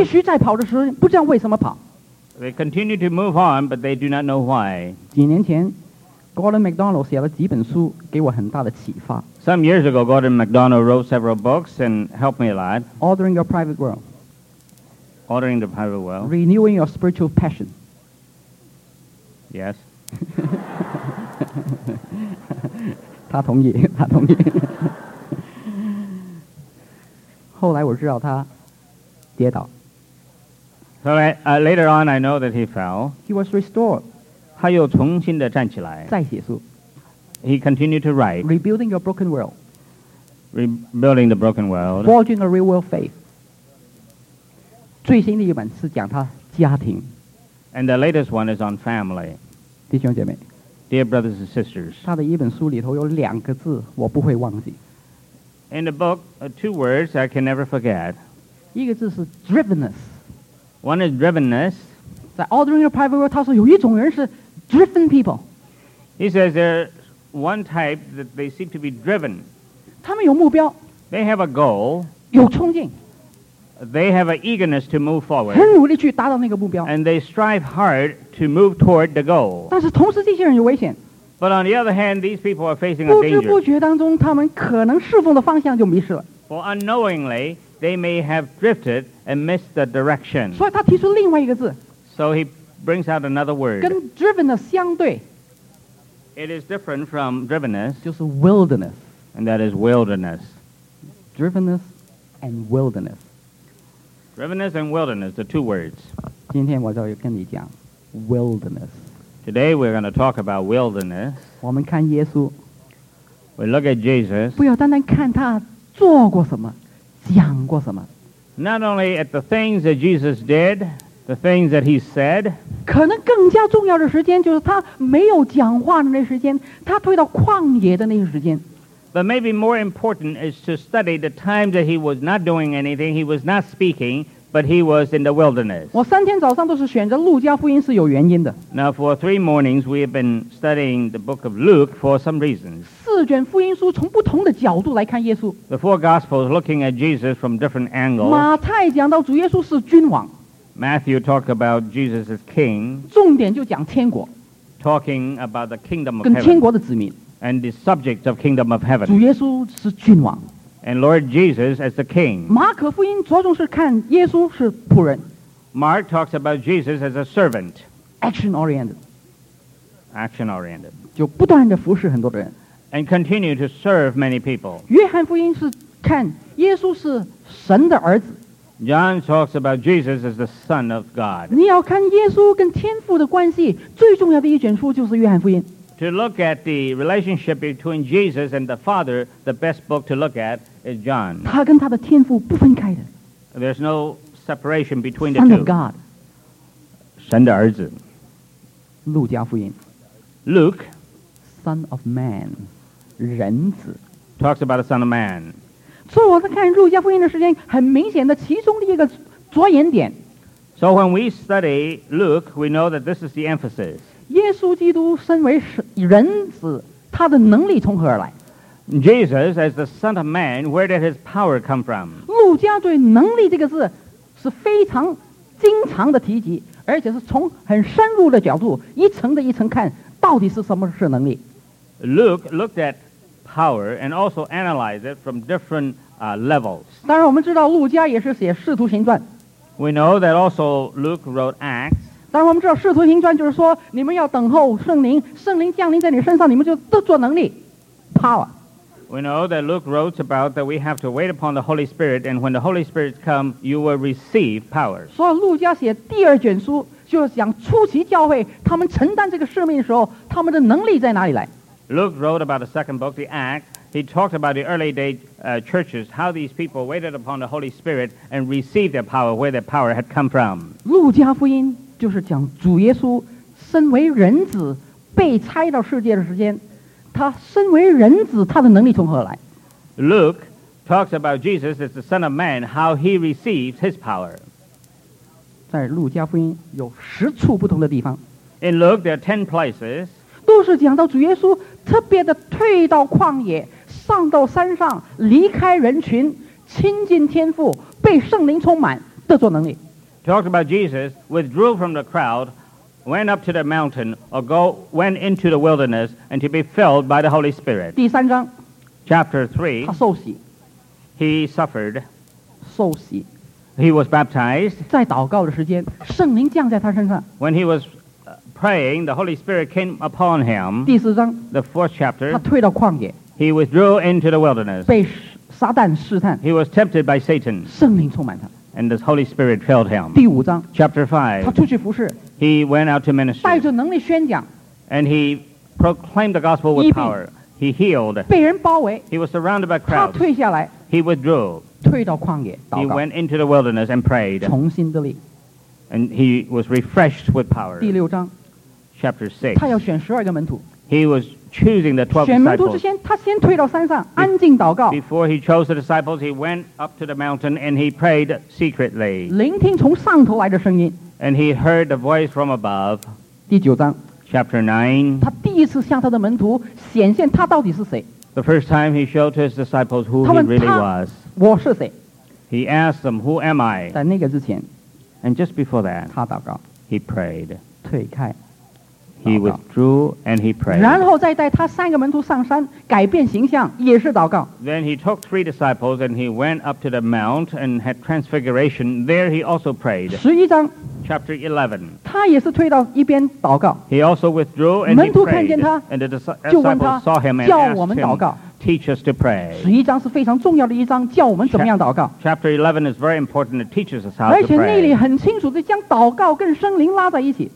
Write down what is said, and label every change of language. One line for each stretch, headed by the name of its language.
Chinese: 你继续在跑的时候不知道为什么跑。
English: They continue to move on but they do not know why.
Chinese: 几年前Gordon MacDonald 写了几本书给我很大的启发。
English: Some years ago, Gordon MacDonald wrote several books and helped me a lot. Ordering Your Private World. Ordering the Private World. Renewing Your Spiritual Passion. Yes.
Chinese: 他同意，他同意。后来我知道他跌倒。
English: So later on, I know that he fell. He was restored.
Chinese: 他又重新的站起来。再写书。
English: He continued to write. Rebuilding your broken world. Rebuilding the broken world. Forging a real world faith.
Chinese: 最新的一本是讲他家庭。
English: And the latest one is on family.
Chinese: 弟兄姐妹。
English: Dear brothers and sisters.
Chinese: 他的一本书里头有两个字我不会忘记。
English: In the book, two words I can never forget.
Chinese: 一个字是 drivenness.
English: One is drivenness.
Chinese: 在 Ordering Your Private World, 他说有一种人是
English: driven people. He says there's one type that they seem to be driven.
Chinese: 他们有目标。
English: They have a goal.
Chinese: 有冲劲。
English: They have an eagerness to move forward.
Chinese: 很努力去达到那个目标。
English: And they strive hard to move toward the goal.
Chinese: 但是同时这些人有危险。
English: But on the other hand, these people are facing a danger.
Chinese: 不知不觉当中，他们可能侍奉的方向就迷失了。
English: For unknowingly, they may have drifted and missed the direction.
Chinese: 所以他提出另外一个字。
English: So he brings out another word.
Chinese: 跟 drivenness 相对。
English: It is different from drivenness.
Chinese: 就是 wilderness.
English: And that is wilderness. Drivenness and wilderness. Drivenness and wilderness, the two words.
Chinese: 今天我就要跟你讲 wilderness.
English: Today we're going to talk about wilderness.
Chinese: 我们看耶稣。
English: We look at Jesus.
Chinese: 不要单单看他做过什么，讲过什么。
English: Not only at the things that Jesus did, the things that he said.
Chinese: 可能更加重要的时间就是他没有讲话的那时间，他退到旷野的那个时间。
English: But maybe more important is to study the times that he was not doing anything, he was not speaking. But he was in the wilderness.
Chinese: 我三天早上都是选择路加福音是有原因的。
English: Now for three mornings, we have been studying the book of Luke for some reasons.
Chinese: 四卷福音书从不同的角度来看耶稣。
English: The four gospels looking at Jesus from different angles.
Chinese: 马太讲到主耶稣是君王。
English: Matthew talked about Jesus as king.
Chinese: 重点就讲天国。
English: Talking about the kingdom of
Chinese: heaven. 跟天国的子民。
English: And the subject of kingdom of heaven.
Chinese: 主耶稣是君王。
English: And Lord Jesus as the king.
Chinese: 马可福音着重是看耶稣是仆人。
English: Mark talks about Jesus as a servant. Action oriented. Action oriented.
Chinese: 就不断地服侍很多人。
English: And continue to serve many people.
Chinese: 约翰福音是看耶稣是神的儿子。
English: John talks about Jesus as the son of God.
Chinese: 你要看耶稣跟天父的关系，最重要的一卷书就是约翰福音。
English: To look at the relationship between Jesus and the Father, the best book to look at is John.
Chinese: 他跟他的天父不分开的。
English: There's no separation between the two. Son of God.
Chinese: 神的儿子。路加福音。
English: Luke. Son of man.
Chinese: 人子。
English: Talks about a son of man.
Chinese: 所以我在看路加福音的时间，很明显的其中的一个着眼点。
English: So when we study Luke, we know that this is the emphasis.
Chinese: 耶稣基督身为人子，他的能力从何而来？
English: Jesus as the Son of Man, where did his power come from?
Chinese: 路加对能力这个字是非常经常的提及，而且是从很深入的角度，一层的一层看，到底是什么是能力？
English: Luke looked at power and also analyzed it from different levels.
Chinese: 当然我们知道路加也是写使徒行传。
English: We know that also Luke wrote Acts.
Chinese: 当然我们知道使徒行传就是说你们要等候圣灵，圣灵降临在你身上，你们就得着能力 power.
English: We know that Luke wrote about that we have to wait upon the Holy Spirit and when the Holy Spirit comes you will receive power.
Chinese: 所以路加写第二卷书就是讲初期教会他们承担这个使命的时候他们的能力在哪里来。
English: Luke wrote about the second book, the Acts. He talked about the early day churches, how these people waited upon the Holy Spirit and received their power, where their power had come from.
Chinese: 路加福音就是讲主耶稣身为人子被差到世界的时间，他身为人子他的能力从何来。
English: Luke talks about Jesus as the Son of Man, how he receives his power.
Chinese: 在路加福音有十处不同的地方。
English: In Luke there are 10 places.
Chinese: 都是讲到主耶稣特别的退到旷野，上到山上，离开人群，亲近天父，被圣灵充满，得着能力。
English: Talked about Jesus withdrew from the crowd, went up to the mountain or go went into the wilderness and to be filled by the Holy Spirit.
Chinese: 第三章,
English: Chapter 3,
Chinese: 他受洗,
English: he suffered.
Chinese: 受洗,
English: he was baptized.
Chinese: 在祷告的时间, 圣灵降在他身上,
English: when he was praying, the Holy Spirit came upon him.
Chinese: 第四章,
English: the fourth chapter,
Chinese: 他退到旷野,
English: he withdrew into the wilderness.
Chinese: 被撒旦试探,
English: he was tempted by Satan.
Chinese: 圣灵充满他,
English: and the Holy Spirit filled him.
Chinese: 第五章,
English: Chapter 5,
Chinese: 他出去服事,
English: he went out to ministry.
Chinese: 带着能力宣讲,
English: and he proclaimed the gospel with
Chinese: 医病,
English: power. He healed.
Chinese: 被人包围,
English: he was surrounded by crowds.
Chinese: 他退下来,
English: he withdrew.
Chinese: 退到旷野,
English: he went into the wilderness and prayed.
Chinese: 重新得力,
English: and he was refreshed with power.
Chinese: 第六章,
English: Chapter 6,
Chinese: 他要选12个门徒,
English: he was choosing the 12 disciples. Before he chose the disciples, he went up to the mountain and he prayed secretly.
Chinese: 聆听从上头来的声音,
English: and he heard the voice from above.
Chinese: 第九章,
English: Chapter 9,
Chinese: 他第一次向他的门徒显现他到底是谁,
English: the first time he showed to his disciples who
Chinese: 他问他,
English: he really was.
Chinese: 我是谁?
English: He asked them, who am I?
Chinese: 在那个之前,
English: and just before that,
Chinese: 他祷告,
English: he prayed.
Chinese: 退开,
English: he withdrew and he prayed.
Chinese: 然后再带他三个门徒上山改变形象也是祷告。
English: Then he took three disciples and he went up to the mount and had transfiguration. There he also prayed.
Chinese: 十一章,
English: Chapter 11,
Chinese: 他也是退到一边祷告。
English: He also withdrew and he prayed.
Chinese: 门徒看见他,
English: and the disciples saw him and asked him, teach us to pray.
Chinese: 十一章是非常重要的一章, 教我们怎么样祷告。
English: Chapter 11 is very important. It teaches us how to pray.
Chinese: 而且那里很清楚地将祷告跟圣灵拉在一起。